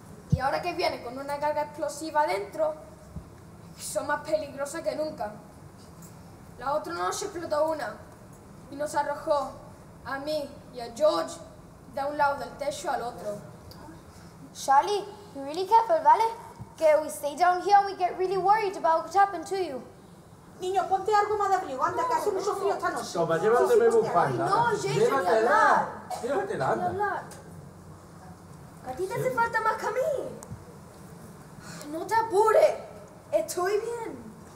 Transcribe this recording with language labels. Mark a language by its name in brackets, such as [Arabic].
[Spanish] Y ahora que viene con una carga explosiva adentro, son más peligrosas que nunca. La otra noche explotó una y nos arrojó a mí y a George de un lado del techo al otro. [English] Charlie, be really careful, ¿vale? Que we stay down here and we get really worried about what happened to you. [Spanish] Niño, ponte algo más de abrigo, anda, que hace mucho frío esta noche. Toma, llévatela en bufanda. No, Jason, ni hablar. Llévatela, anda. Ni hablar. A ti te hace falta más que a mí. No te apures. Estoy bien.